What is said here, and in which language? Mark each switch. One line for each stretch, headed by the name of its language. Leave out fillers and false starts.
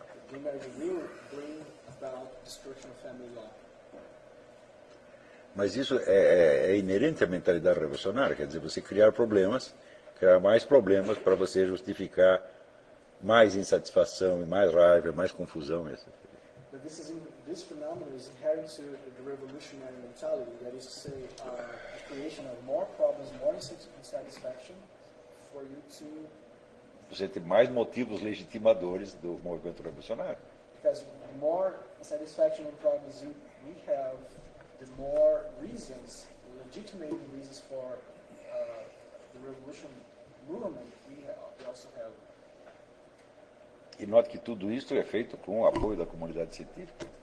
English: Gay marriage will bring about destruction of family law.
Portuguese: Mas isso é inerente à mentalidade revolucionária, quer dizer, você criar problemas, criar mais problemas para você justificar mais insatisfação e mais raiva, mais confusão.
English: Mas this phenomenon is inherent to the revolutionary mentality, that is to say, a creation of more problems, more insatisfaction for you to.
Portuguese: Você tem mais motivos legitimadores do movimento revolucionário.
English: Because the more insatisfaction and problems we have, the more reasons, legitimate reasons for the revolution movement we also have.
Portuguese: E note que tudo isso é feito com o apoio da comunidade científica.